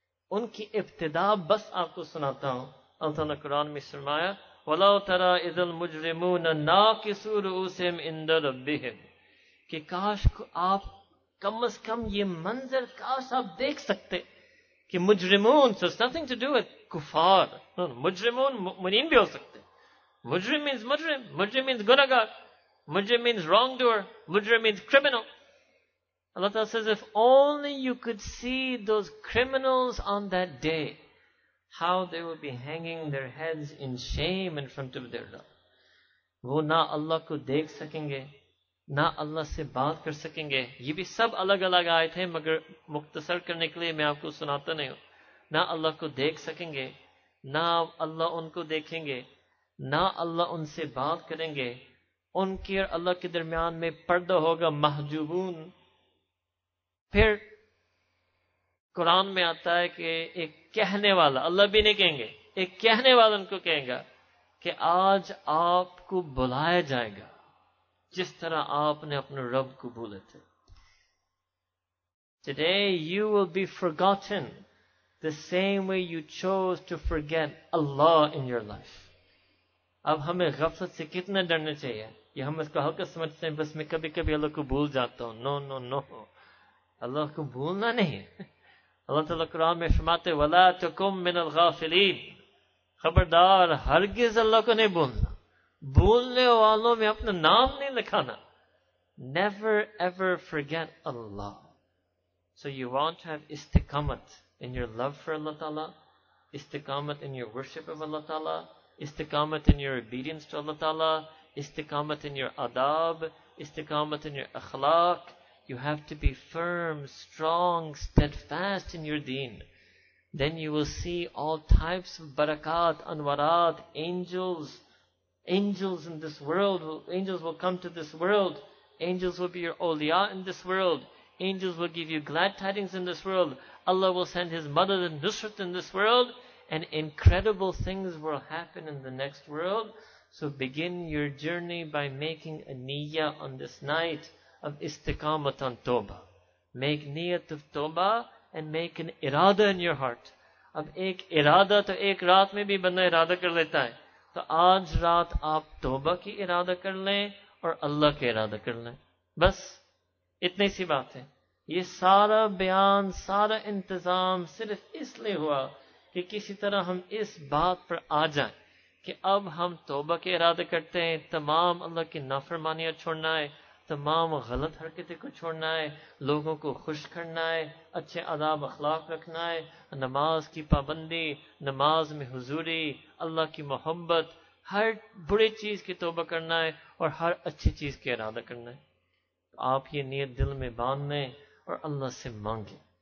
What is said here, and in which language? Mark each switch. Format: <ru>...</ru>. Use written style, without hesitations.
<ur>ان کی ابتدا بس آپ کو سناتا ہوں. اللہ تعالیٰ قرآن میں فرمایا</ur> <ar>وَلَوْ تَرَىٰ اِذَا الْمُجْرِمُونَ نَاكِسُوا رُءُوسَهُمْ عِندَ رَبِّهِمْ,</ar> <ur>کہ کاش کو آپ کم از کم یہ منظر کاش آپ دیکھ سکتے کہ مجرمون,</ur> <en>so it's nothing to do with</en> <ur>کفار, no, مجرمون مومن بھی ہو سکتے.</ur> <en>مجرم means مجرم, مجرم means گنہگار, مجرم means wrong doer, مجرم means criminal. Allah Ta'ala says if only you could see those criminals on that day, how they would be hanging their heads in shame in front of their Lord.</en> <ur>وہ نہ اللہ کو دیکھ سکیں گے, نہ اللہ سے بات کر سکیں گے. یہ بھی سب الگ الگ آئے تھے مگر مختصر کرنے کے لیے میں آپ کو سناتا نہیں ہوں. نہ اللہ کو دیکھ سکیں گے, نہ اللہ ان کو دیکھیں گے, نہ اللہ ان سے بات کریں گے. ان کے اور اللہ کے درمیان میں پردہ ہوگا, محجوبون. پھر قرآن میں آتا ہے کہ ایک کہنے والا, اللہ بھی نہیں کہیں گے, ایک کہنے والا ان کو کہیں گا کہ آج آپ کو بلایا جائے گا جس طرح آپ نے اپنے رب کو بھولے تھے.</ur> <en>Today you will be forgotten the same way you chose to forget Allah in your life.</en> <ur>اب ہمیں غفلت سے کتنا ڈرنے چاہیے, یہ ہم اس کو ہلکا سمجھتے ہیں, بس میں کبھی کبھی اللہ کو بھول جاتا ہوں.</ur> <en>no no no,</en> <ur>اللہ کو بھولنا نہیں. اللہ تعالیٰ قرآن میں فرماتے</ur> <ar>وَلَا تَكُم مِّنَ الْغَافِلِينَ,</ar> <ur>خبردار ہرگز اللہ کو نہیں بھولنا, بھولنے والوں میں اپنا نام نہیں لکھانا.</ur> <en>Never ever forget Allah. So you want to have istiqamat in your love for Allah Ta'ala, istiqamat in your worship of Allah Ta'ala, istiqamat in your obedience to Allah Ta'ala, istiqamat in your adab, istiqamat in your akhlaq. You have to be firm, strong, steadfast in your deen. Then you will see all types of barakat, anwarat, angels. Angels in this world, angels will come to this world. Angels will be your awliya in this world. Angels will give you glad tidings in this world. Allah will send His mother the Nusrat in this world. And incredible things will happen in the next world. So begin your journey by making a niyyah on this night of istiqamat on tawbah. Make niyat of tawbah and make an irada in your heart.</en> <ur>Ab ek irada to ek raat mein bhi banda irada kar leta hai. تو آج رات آپ توبہ کی ارادہ کر لیں اور اللہ کا ارادہ کر لیں. بس اتنی سی بات ہے. یہ سارا بیان, سارا انتظام صرف اس لیے ہوا کہ کسی طرح ہم اس بات پر آ جائیں کہ اب ہم توبہ کے ارادے کرتے ہیں، تمام اللہ کی نافرمانیاں چھوڑنا ہے، تمام غلط حرکتیں کو چھوڑنا ہے، لوگوں کو خوش کرنا ہے، اچھے آداب اخلاق رکھنا ہے، نماز کی پابندی، نماز میں حضوری، اللہ کی محبت، ہر بری چیز کی توبہ کرنا ہے اور ہر اچھی چیز کا ارادہ کرنا ہے۔ آپ یہ نیت دل میں باندھ لیں اور اللہ سے مانگیں،</ur>